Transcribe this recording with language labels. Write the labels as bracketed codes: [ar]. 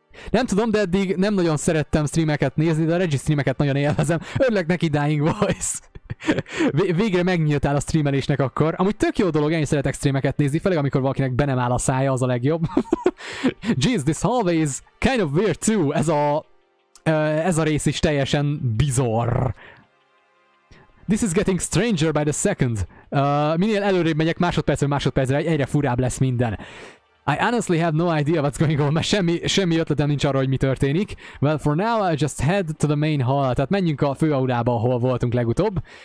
[hu] Nem tudom, de eddig nem nagyon szerettem streameket nézni, de a Regis streameket nagyon élvezem. Örülök neki, Dying Voice. Végre megnyíltál a streamelésnek akkor. Amúgy tök jó dolog, ennyi szeretek streameket nézni, főleg amikor valakinek be nem áll a szája, az a legjobb. [en] Jeez, this hallway is kind of weird too. [hu] Ez a rész is teljesen bizarr. [en] This is getting stranger by the second. [hu] Minél előrébb megyek másodpercre, egyre furább lesz minden. [en] I honestly have no idea what's going on, [hu] mert semmi ötletem nincs arra, hogy mi történik. [en] Well, for now I just head to the main hall. [hu] Tehát menjünk a főaulába, ahol voltunk legutóbb.